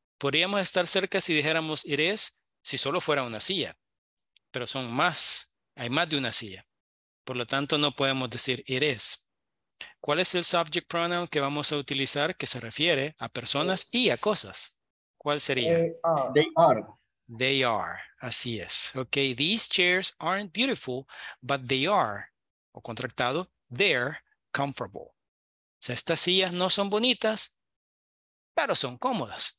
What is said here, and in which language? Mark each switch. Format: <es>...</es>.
<es>Podríamos estar cerca si dijéramos</es> <en>it is,</en> <es>si solo fuera una silla. Pero son más, hay más de una silla. Por lo tanto, no podemos decir</es> <en>it is.</en> <es>¿Cuál es el subject pronoun que vamos a utilizar que se refiere a personas y a cosas? ¿Cuál sería?</es> <en>They are.</en> <es>Así es. Okay.</es> <en>These chairs aren't beautiful, but they are,</en> <es>o contractado,</es> <en>they're comfortable.</en> <es>O sea, estas sillas no son bonitas, pero son cómodas.</es>